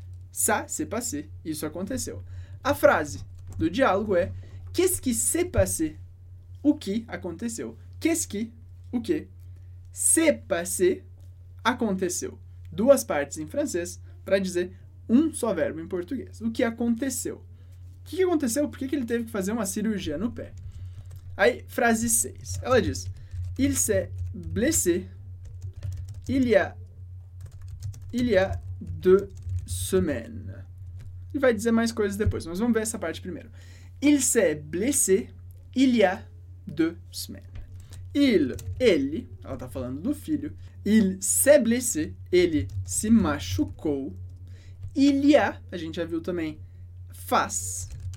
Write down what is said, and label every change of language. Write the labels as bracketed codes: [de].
[fr] Ça, s'est passé, [pt] isso aconteceu. A frase do diálogo é [fr] qu'est-ce qui s'est passé? [pt] O que aconteceu? [fr] Qu'est-ce qui [pt] o quê? [fr] C'est passé, [pt] aconteceu. Duas partes em francês para dizer um só verbo em português. O que aconteceu? O que aconteceu? Por que ele teve que fazer uma cirurgia no pé? Aí, frase 6. Ela diz: [fr] il s'est blessé il y a deux semaines. [pt] Ele vai dizer mais coisas depois, mas vamos ver essa parte primeiro. [fr] Il s'est blessé il y a deux semaines. [pt] Ele, ela tá falando do filho. [fr] Il s'est blessé, [pt] ele se machucou. Il y a gente já viu também, faz.